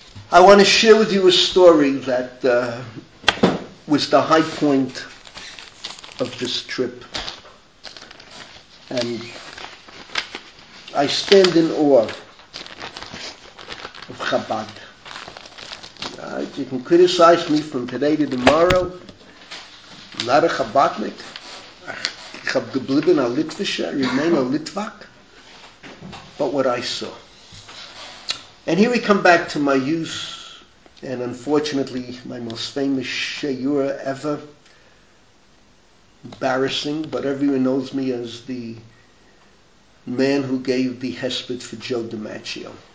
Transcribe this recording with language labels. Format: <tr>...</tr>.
<en>I want to share with you a story that was the high point of this trip. And I stand in awe of Chabad. You can criticize me from today to tomorrow. I'm not a Chabadnik.</en> <yi>Ich hab geblieben a Litvische, remain a Litvak.</yi> <en>But what I saw. And here we come back to my youth, and unfortunately my most famous Sheyura ever. Embarrassing, but everyone knows me as the man who gave the hespit for Joe DiMaggio.</en>